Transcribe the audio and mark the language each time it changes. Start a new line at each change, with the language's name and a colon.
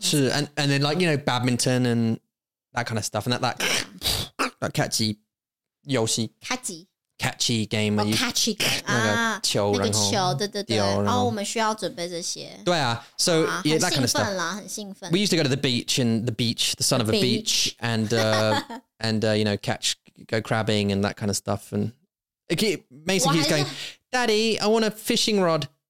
English: 是 and then like you know badminton and that kind of stuff and that catchy 游戏 catchy。 Catchy game、 oh, Catchy game
Chinese: 那个球对对对然后我们需要准备这些对啊 So、啊、
English: yeah, that kind of stuff
Chinese: 很兴奋
English: We used to go to the beach And the beach The son of a beach And you know Catch Go crabbing And that kind of stuff And okay, Mason keeps going Daddy I want a fishing rod